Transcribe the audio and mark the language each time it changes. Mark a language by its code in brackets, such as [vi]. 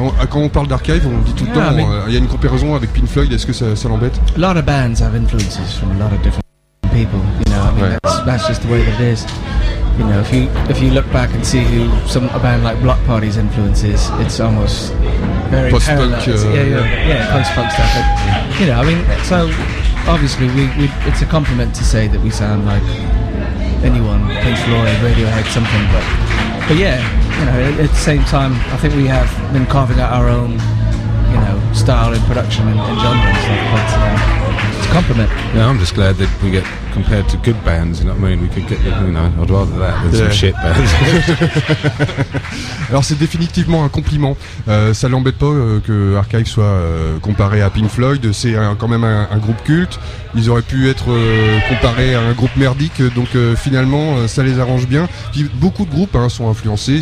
[fr] Quand on parle d'Archive, on dit tout le temps, il y a une comparaison avec Pink Floyd, est-ce que ça l'embête? [en] A lot of bands have influences from a lot of different people, you know, I mean, that's just the way that it is. You know, if you look back and see who a band like Block Party's influences, it's almost very post-punk, parallel. Post-punk stuff. But, you know, I mean, so, obviously, we it's a compliment to say that we sound like anyone, Pink Floyd, Radiohead, something, but yeah. You know, at the same time, I think we have been carving out our own, you know, style in production and genre and stuff. But it's a compliment. Yeah, I'm just glad that we get compared to good bands, you know what I mean? We could get, you know, I'd rather that than some shit bands. [fr] Alors c'est définitivement un compliment. Ça l'embête pas que Archive soit comparé à Pink Floyd. C'est quand même un groupe culte. Ils auraient pu être comparés à un groupe merdique. Donc finalement, ça les arrange bien. Puis beaucoup de groupes sont influencés.